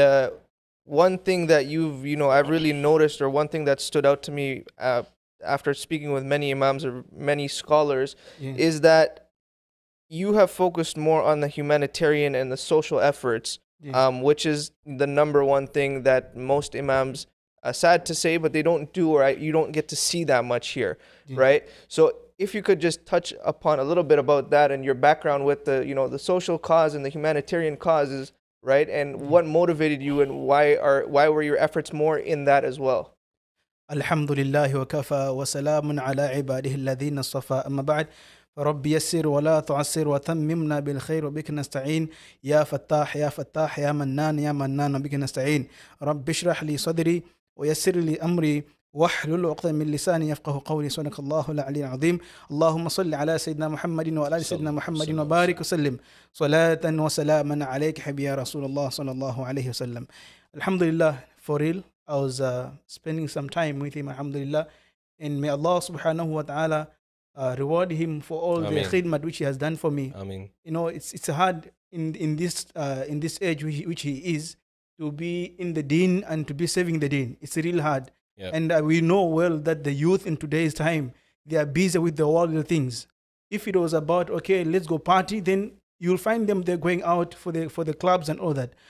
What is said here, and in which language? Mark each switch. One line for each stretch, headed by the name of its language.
English: And one thing that I've really noticed, or one thing that stood out to me after speaking with many imams or many scholars, is that you have focused more on the humanitarian and the social efforts, which is the number one thing that most imams, sad to say, but they don't do, or you don't get to see that much here, right? So if you could just touch upon a little bit about that and your background with the social cause and the humanitarian causes, right? And what motivated you, and why were your efforts more in that as well?
Arabic: Alhamdulillah wa kafa wa salamun ala ibadihi alladhina safa amma ba'd. رب يسر ولا تعسر وتممنا بالخير وبك نستعين يا فتاح يا فتاح يا منان يا منان وبك نستعين رب اشرح لي صدري ويسر لي امري واحلل عقدة من لساني يفقه قولي سبحانك الله العلي العظيم اللهم صل على سيدنا محمد وعلى سيدنا محمد وبارك وسلم صلاة وسلاما عليك حبيبي يا رسول الله صلى الله عليه وسلم
English: الحمد لله for real I was spending some time with him alhamdulillah and may Allah subhanahu wa ta'ala reward him for all Ameen. The khidmat which he has done for me. Ameen. You know, it's hard in this age which he is to be in the deen and to be serving the deen. It's real hard. Yep. And we know well that the youth in today's time, they are busy with the worldly things. If it was about, okay, let's go party, then you'll find them, they're going out for the clubs and all that.